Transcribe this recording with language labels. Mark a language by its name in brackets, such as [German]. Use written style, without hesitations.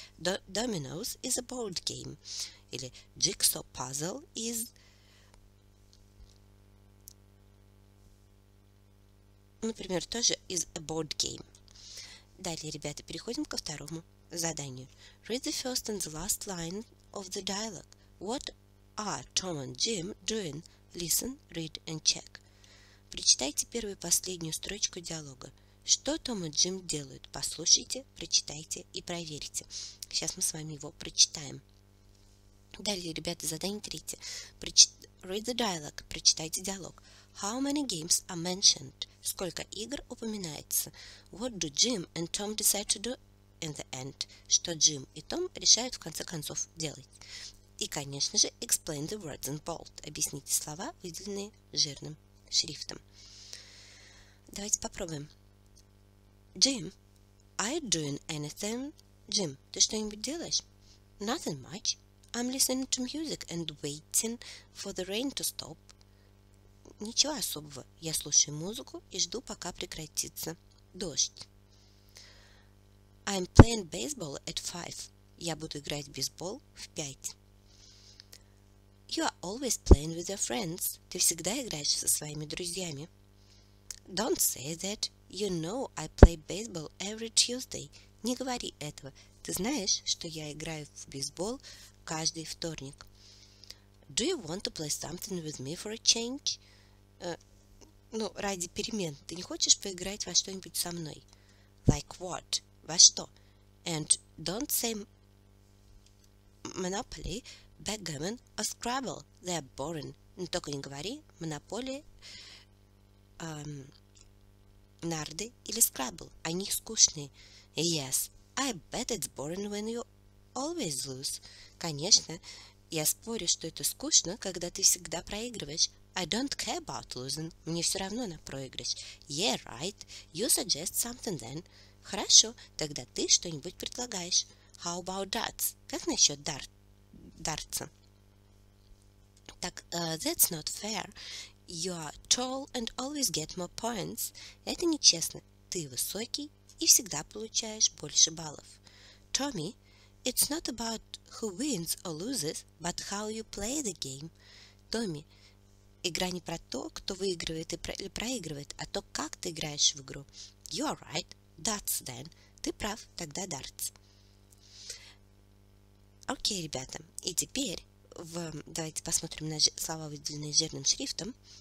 [English] Dominoes is a board game. [Russian] Или [English] jigsaw puzzle is... [Russian] Например, тоже [English] is a board game. [Russian] Далее, ребята, переходим ко второму заданию. [English] Read the first and the last line of the dialogue. What are Tom and Jim doing? Listen, read and check. [Russian] Прочитайте первую и последнюю строчку диалога. Что Том и Джим делают? Послушайте, прочитайте и проверьте. Сейчас мы с вами его прочитаем. Далее, ребята, задание третье. [English] Read the dialogue. [Russian] Прочитайте диалог. [English] How many games are mentioned? [Russian] Сколько игр упоминается? [English] What do Jim and Tom decide to do in the end? [Russian] Что Джим и Том решают в конце концов делать? И, конечно же, [English] explain the words in bold. [Russian] Объясните слова, выделенные жирным шрифтом. Давайте попробуем. [English] Jim, are you doing anything? [Russian] Jim, ты что-нибудь делаешь? [English] Nothing much. I'm listening to music and waiting for the rain to stop. [Russian] Ничего особого. Я слушаю музыку и жду, пока прекратится дождь. [English] I'm playing baseball at 5. [Russian] Я буду играть в бейсбол в 5. [English] You are always playing with your friends. [Russian] Ты всегда играешь со своими друзьями. [English] Don't say that. You know I play baseball every Tuesday. [Russian] Не говори этого. Ты знаешь, что я играю в бейсбол каждый вторник. [English] Do you want to play something with me for a change? [Russian] Ну, ради перемен. Ты не хочешь поиграть во что-нибудь со мной? [English] Like what? [Russian] Во что? [English] And don't say Monopoly, backgammon or Scrabble. They are boring. [Russian] Ну, только не говори Monopoly, нарды или Scrabble. Они скучные. [English] Yes, I bet it's boring when you always lose. [Russian] Конечно, я спорю, что это скучно, когда ты всегда проигрываешь. [English] I don't care about losing. [Russian] Мне все равно на проигрыш. [English] Yeah, right. You suggest something then. [Russian] Хорошо, тогда ты что-нибудь предлагаешь. [English] How about darts? [Russian] Как насчет дартса? Так, [English] that's not fair. You are tall and always get more points. [Russian] Это нечестно. Ты высокий и всегда получаешь больше баллов. [English] Tommy, it's not about who wins or loses, but how you play the game. Tommy, [Russian] Игра не про то, кто выигрывает или проигрывает, а то, как ты играешь в игру. [English] You are right. That's then. [Russian] Ты прав. Тогда [English] darts. [Russian] Окей, ребята. И теперь давайте посмотрим на слова, выделенные жирным шрифтом.